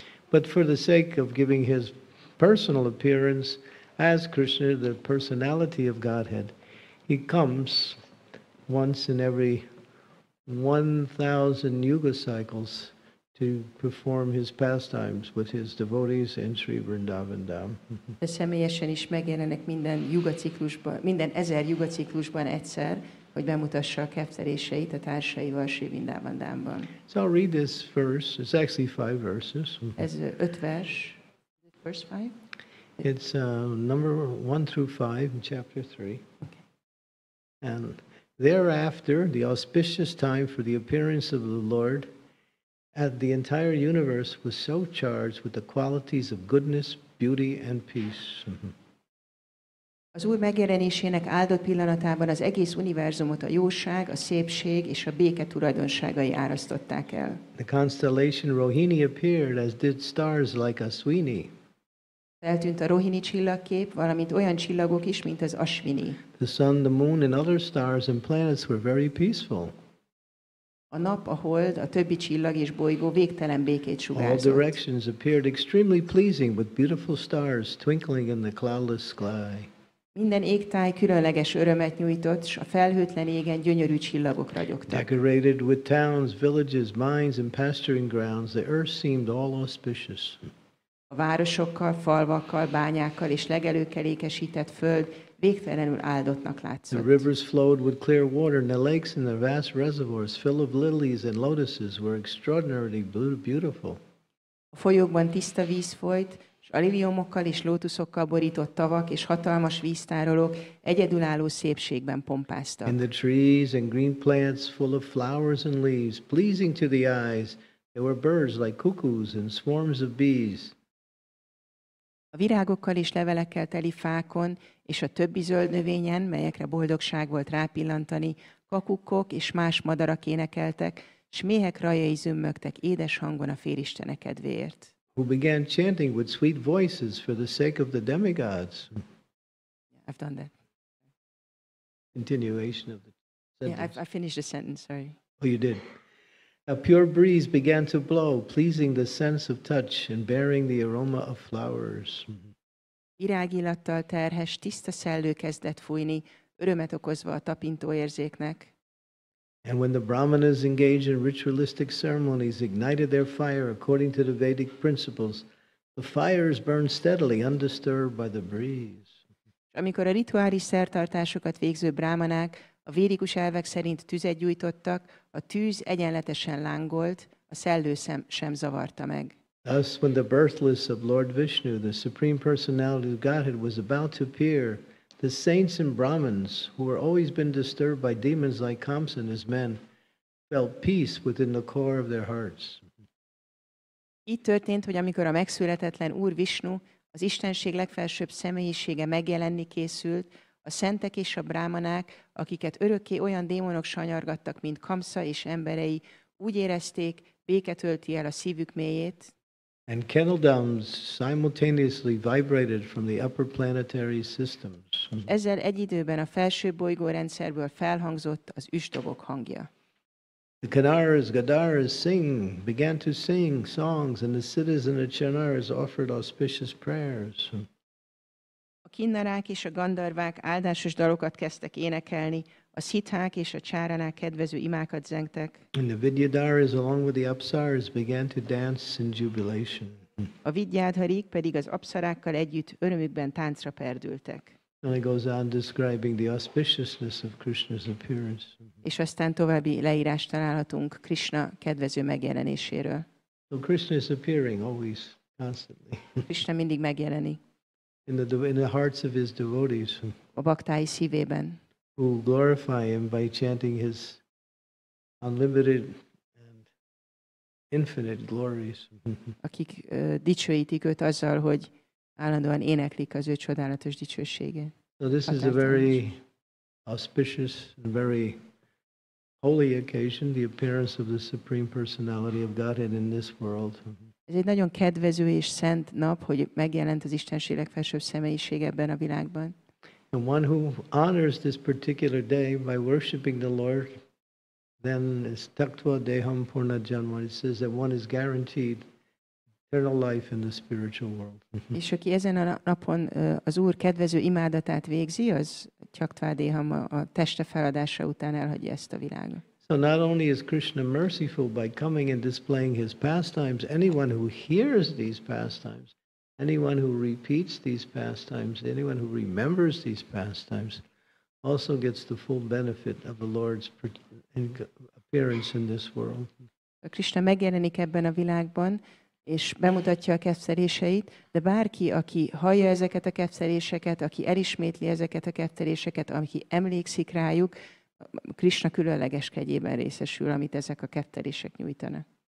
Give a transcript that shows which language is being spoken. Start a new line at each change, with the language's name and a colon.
English: But for the sake of giving his personal appearance as Krishna, the personality of Godhead, he comes once in every 1,000 yuga cycles to perform his pastimes with his devotees in Sri Vrindavan Dham.
Hungarian: De személyesen is megjelenek minden jugaciklusban, minden 1000 jugaciklusban egyszer, hogy bemutassa a kefteléseit a társaival Sri Vrindavan Dhamban.
English: So I'll read this verse. It's actually 5 verses.
Hungarian: Ez 5 vers.
English: First 5? It's number 1 through 5 in chapter 3. Okay. And thereafter, the auspicious time for the appearance of the Lord, and the entire universe was so charged with the qualities of goodness, beauty, and peace.
Hungarian: Az Úr megjelenésének áldott pillanatában az egész univerzumot a jóság, a szépség és a béke tulajdonságai árasztották el.
English: The constellation Rohini appeared, as did stars like Aswini.
Hungarian: Feltűnt a Rohini csillagkép, valamint olyan csillagok is, mint az Aswini.
English: The sun, the moon, and other stars and planets were very peaceful.
Hungarian: A nap, a hold, a többi csillag és bolygó végtelen békét sugárzott.
English: All directions appeared extremely pleasing with beautiful stars twinkling in the cloudless sky.
Hungarian: Minden égtáj különleges örömet nyújtott, s a felhőtlen égen gyönyörű csillagok ragyogtak.
English: Decorated with towns, villages, mines and pasturing grounds, the earth seemed all auspicious.
Hungarian: A városokkal, falvakkal, bányákkal és legelőkkel ékesített föld végtelenül áldottnak látszott.
English: The rivers flowed with clear water, and the lakes and the vast reservoirs full of lilies and lotuses were extraordinarily beautiful.
Hungarian: A folyókban tiszta víz folyt, s a liliomokkal és lótuszokkal borított tavak és hatalmas víztárolók egyedülálló szépségben pompáztak.
English: In the trees and green plants full of flowers and leaves, pleasing to the eyes, there were birds like cuckoos and swarms of bees.
Hungarian: A virágokkal és levelekkel teli fákon és a többi zöld növényen, melyekre boldogság volt rápillantani, kakukkok és más madarak énekeltek, s méhek rajai zümmögtek édes hangon a félistene kedvéért.
English: Who began chanting with sweet voices for the sake of the demigods. Yeah, I've done that. Continuation of the sentence. Yeah, I finished the sentence, sorry. Oh, you did. A pure breeze began to blow, pleasing the sense of touch and bearing the aroma of flowers.
Hungarian: Virágillattal terhes, tiszta szellő kezdett fújni, örömet okozva a tapintó érzéknek.
English: And when the brahmanas engaged in ritualistic ceremonies, ignited their fire according to the Vedic principles, the fires burned steadily, undisturbed by the breeze.
Hungarian: Amikor a rituális szertartásokat végző brahmanák a védikus elvek szerint tüzet gyújtottak, a tűz egyenletesen lángolt, a szellő sem zavarta meg.
English: Thus, when the birthless of Lord Vishnu, the Supreme Personality of Godhead, was about to appear, the saints and Brahmins, who were always been disturbed by demons like Kamsa and his men, felt peace within the core of their hearts.
Hungarian: Így történt, hogy amikor a megszületetlen Úr Vishnu, az Istenség legfelsőbb személyisége megjelenni készült, a szentek és a brámanák, akiket örökké olyan démonok sanyargattak, mint Kamsa és emberei, úgy érezték, béke tölti el a szívük mélyét.
English: And kettledrums simultaneously vibrated from the upper planetary systems.
Hungarian: Ezzel egy időben a felső bolygórendszerből felhangzott az üstökök hangja.
English: The Kanaras, Gadaras began to sing songs, and the citizens of Chanaras offered auspicious prayers.
Hungarian: A kinnarák és a gandarvák áldásos dalokat kezdtek énekelni, a szithák és a csáranák kedvező imákat zengtek.
English: And the vidyadharis along with the apsaras began to dance in jubilation.
Hungarian: A vidyadharik pedig az apsarákkal együtt örömükben táncra perdültek.
English: And it goes on describing the auspiciousness of Krishna's appearance.
Hungarian: És aztán további leírás találhatunk Krishna kedvező megjelenéséről.
English: So Krishna is appearing always, constantly.
Hungarian: Krishna mindig megjelenik.
English: In the hearts of his devotees,
Hungarian: a baktái szívében,
English: who glorify him by chanting his unlimited and infinite glories,
Hungarian: akik dicsőítik őt azzal, hogy állandóan éneklik az ő csodálatos dicsőségét.
English: So this is a very auspicious and very holy occasion, the appearance of the Supreme Personality of Godhead in this world.
Hungarian: Ez egy nagyon kedvező és szent nap, hogy megjelent az Istenség legfelsőbb személyiség ebben a világban.
English: And one who honors this particular day by worshiping the Lord, then is
Sanskrit: taktva deham purna janma.
English: It says that one is guaranteed eternal life in the spiritual world.
Hungarian: És aki ezen a napon az Úr kedvező imádatát végzi, az taktva deham a teste feladása után elhagyja ezt a világot.
English: So not only is Krishna merciful by coming and displaying his pastimes, anyone who hears these pastimes, anyone who repeats these pastimes, anyone who remembers these pastimes, also gets the full benefit of the Lord's appearance in this world.
Hungarian: Krishna megjelenik ebben a világban, és bemutatja a kefszeléseit, de bárki, aki hallja ezeket a kefszeléseket, aki elismétli ezeket a kefszeléseket, aki emlékszik rájuk, Krishna különleges kegyében részesül, amit ezek a kettelések nyújtanak.